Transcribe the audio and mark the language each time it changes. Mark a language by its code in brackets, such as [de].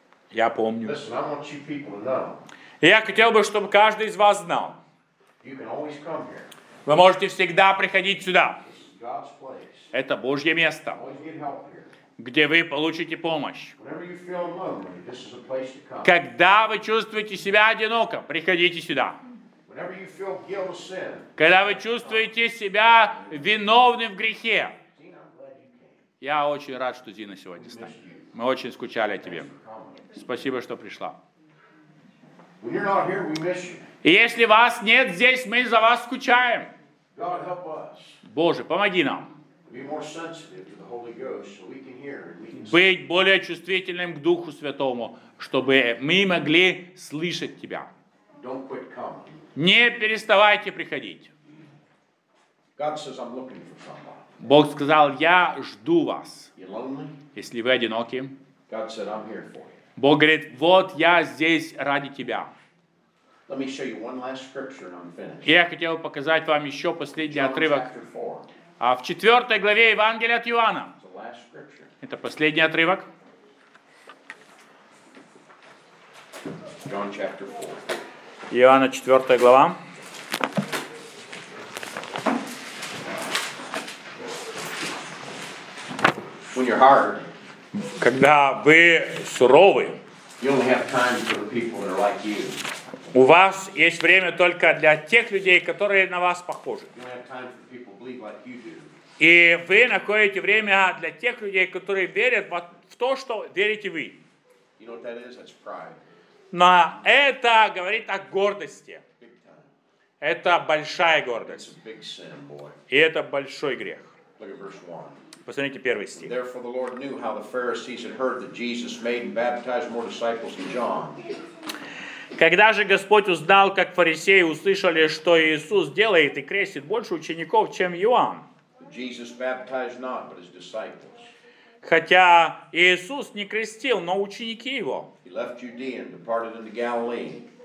[ru] Я помню. [en] Listen, I want you people to know. [ru] Я хотел бы, чтобы каждый из вас знал. [en] You can always come here. [ru] Вы можете всегда приходить сюда. [en] This is God's place. [ru] Это Божье место, где вы получите помощь. [en] Whenever you feel lonely, this is a place to come. [ru] Когда вы чувствуете себя одиноко, приходите сюда. [en] Whenever you feel guilt of sin, [ru] когда вы чувствуете себя виновным в грехе. Я очень рад, что Зина сегодня с нами. Мы очень скучали о тебе. Спасибо, что пришла. [en] When you're not here, we miss you. [ru] И если вас нет здесь, мы за вас скучаем. [en] God, help us. [ru] Боже, помоги нам. [en] Be more sensitive to the Holy Ghost, so we can hear and we can see. [ru] Быть более чувствительным к Духу Святому, чтобы мы могли слышать тебя. [en] Don't quit coming. [ru] Не переставайте приходить. [en] God says, I'm looking for somebody. [ru] Бог сказал, я жду вас. Если вы одиноки, [en] God said, I'm here for you. [ru] Бог говорит, вот я здесь ради тебя. [en] Let me show you one last scripture and I'm finished. [ru] Я хотел показать вам еще последний [en] John [ru] отрывок. [en] Chapter 4. [ru] А в 4 главе Евангелия от Иоанна. [en] It's the last scripture. [ru] Это последний отрывок. [en] John chapter 4. [ru] Иоанна 4 глава. [en] When you're hard, [ru] когда вы суровы, [en] you only have time for the people that are like you. [ru] У вас есть время только для тех людей, которые на вас похожи. [en] You only have time for people believe like you do. [ru] И вы находите время для тех людей, которые верят в то, что верите вы. [en] You know what that is? That's pride. [ru] Но это говорит о гордости. Это большая гордость. [en] It's a big sin, boy. [ru] И это большой грех. [en] Look at verse 1. [ru] Посмотрите первый стих. [en] Therefore the Lord knew how the Pharisees had heard that Jesus made and baptized more disciples than John. [ru] Когда же Господь узнал, как фарисеи услышали, что Иисус делает и крестит больше учеников, чем Иоанн. [en] Jesus baptized not, but his disciples. [ru] Хотя Иисус не крестил, но ученики его. [en] He left Judea and departed into Galilee.